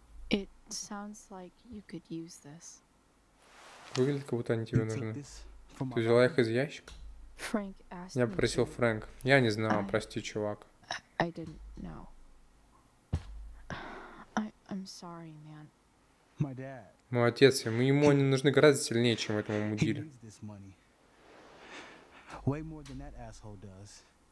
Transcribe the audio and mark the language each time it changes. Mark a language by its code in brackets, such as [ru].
[en] It sounds like you could use this. [ru] Выглядит, как будто они тебе нужны. Ты взяла их из ящика? [en] Frank asked me. [ru] Я попросил Фрэнк. Я не знал, прости, чувак. [en] I didn't know. I'm sorry, man. My dad. [ru] Мой отец, ему они нужны гораздо сильнее, чем этому мудиле. [en] Way more than that asshole does.